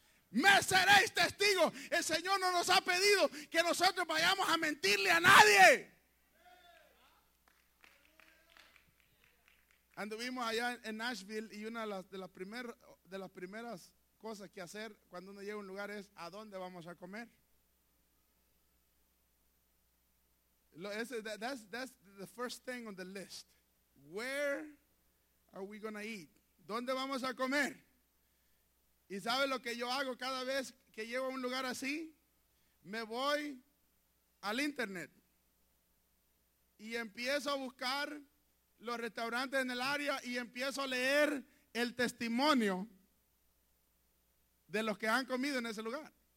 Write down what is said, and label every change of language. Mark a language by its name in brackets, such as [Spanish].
[Spanish] Me seréis testigo. El Señor no nos ha pedido que nosotros vayamos a mentirle a nadie. Anduvimos allá en Nashville y una de las primeras cosas que hacer cuando uno llega a un lugar es: ¿a dónde vamos a comer? [English] That's the first thing on the list. Where are we going to eat? [Spanish] ¿Dónde vamos a comer? ¿Y sabe lo que yo hago cada vez que llego a un lugar así? Me voy al internet. y empiezo a buscar los restaurantes en el área y empiezo a leer el testimonio de los que han comido en ese lugar.